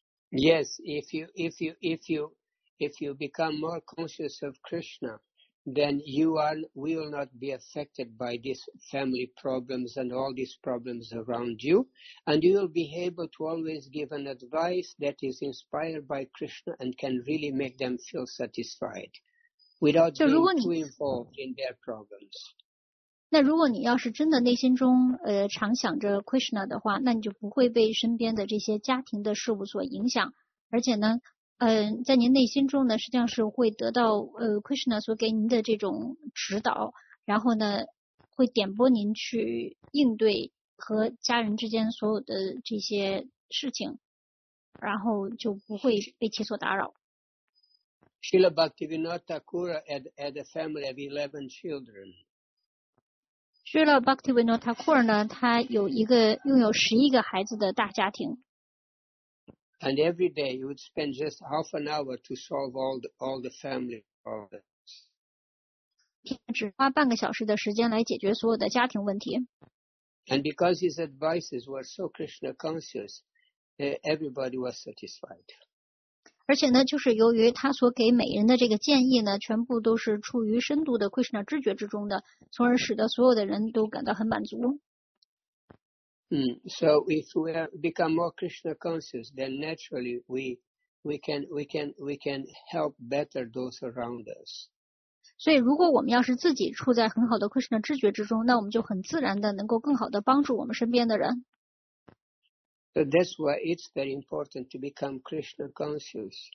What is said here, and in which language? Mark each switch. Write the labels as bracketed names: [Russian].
[English] Yes, if you become more conscious of Krishna,then will not be affected by these family problems and all these problems around you. And you will be able to always give an advice that is inspired by Krishna and can really make them feel satisfied without being too involved in their problems. [Chinese] 那如果你要是真的内心中常想着 Krishna 的话，那你就不会被身边的这些家庭的事物所影响，而且呢在您内心中呢，实际上是会得到Krishna 所给您的这种指导，然后呢，会点拨您去应对和家人之间所有的这些事情，然后就不会被其所打扰。 [English] Srila Bhaktivinoda Thakur had a family of 11 children. [Chinese] Srila Bhaktivinoda Thakur 呢，他有一个拥有11个孩子的大家庭。 [English] And every day you would spend just half an hour to solve all the family problems. [Chinese] 只花半个小时的时间来解决所有的家庭问题。 [English] And because his advices were so Krishna conscious, everybody was satisfied. [Chinese] 而且呢，就是由于他所给每人的这个建议呢，全部都是处于深度的 Krishna 知觉之中的，从而使得所有的人都感到很满足。 [English] So if we become more Krishna conscious, then naturally we can help better those around us. [Chinese] 所以如果我们要是自己处在很好的 Krishna 知觉之中，那我们就很自然的能够更好的帮助我们身边的人。 [English] So that's why it's very important to become Krishna conscious.